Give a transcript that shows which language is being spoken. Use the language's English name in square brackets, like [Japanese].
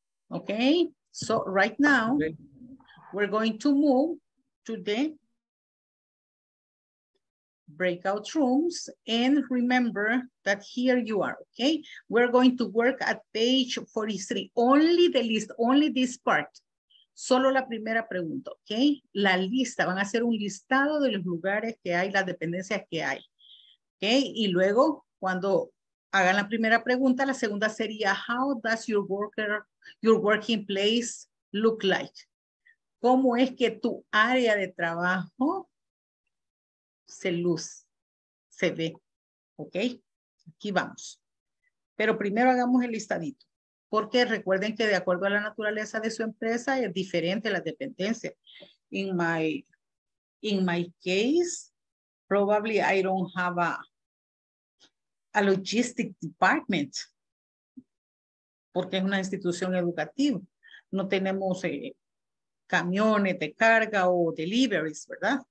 [English] Okay, so right now we're going to move to the breakout rooms and remember that here you are, okay? We're going to work at page 43, only the list, only this part. [Spanish] Solo la primera pregunta, okay? La lista, van a hacer un listado de los lugares que hay, las dependencias que hay, okay? Y luego cuando hagan la primera pregunta, la segunda sería, [English] how does your worker, your working place look like? [Spanish] ¿Cómo es que tu área de trabajo se luce, se ve? ¿Ok? Aquí vamos. Pero primero hagamos el listadito. Porque recuerden que de acuerdo a la naturaleza de su empresa es diferente la dependencia. [English] In my case, probably I don't have a logistic department. [Spanish] Porque es una institución educativa. No tenemos camiones de carga o deliveries, ¿verdad?